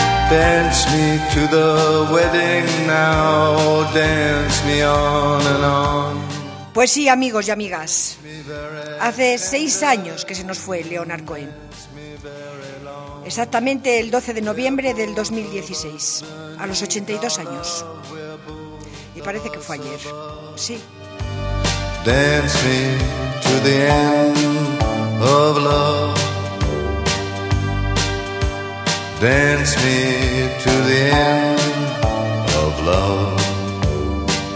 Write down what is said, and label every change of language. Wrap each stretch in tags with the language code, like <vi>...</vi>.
<en>Dance me to the wedding now, dance me on and on.</en> <es>Pues sí, amigos y amigas, hace 6 años que se nos fue Leonard Cohen. Exactamente el 12 de noviembre del 2016, a los 82 años. Y parece que fue ayer, sí.</es> <en>Dance me to the end of love. Dance me to the end of love.</en>